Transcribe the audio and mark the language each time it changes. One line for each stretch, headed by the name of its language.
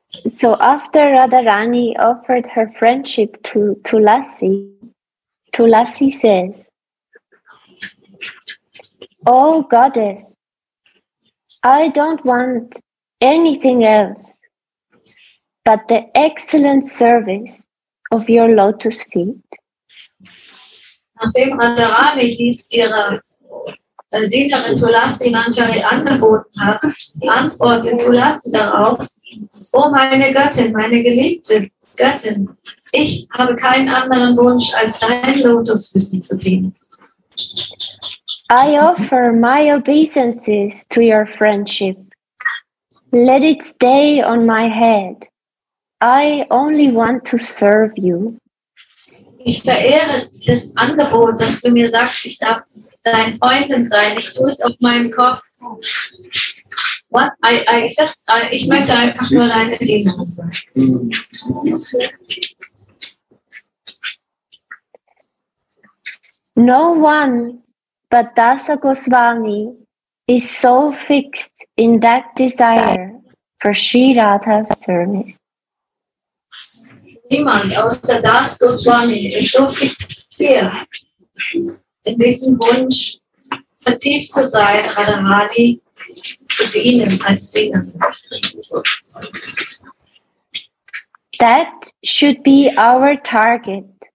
English: So after Radharani offered her friendship to Tulasi, Tulasi says, oh goddess, I don't want anything else but the excellent service of your lotus feet.
German: Nachdem Radharani dies ihrer Dienerin Tulasi Manjari angeboten hat, antwortet Tulasi darauf, oh meine Göttin, meine geliebte Göttin, ich habe keinen anderen Wunsch als deinen Lotusfüßen zu dienen.
English: I offer my obeisances to your friendship. Let it stay on my head. I only want to serve you.
German: Ich verehre das Angebot, dass du mir sagst, ich darf dein Freundin sein. Ich tue es auf meinem Kopf. Ich möchte einfach nur deine Dienerin sein.
English: No one but Dasa Goswami is so fixed in that desire for Sri Radha's service.
German: Niemand außer Dasa Goswami ist so fixiert in diesem Wunsch, vertieft zu sein, Radharani zu dienen als Diener.
English: That should be our target.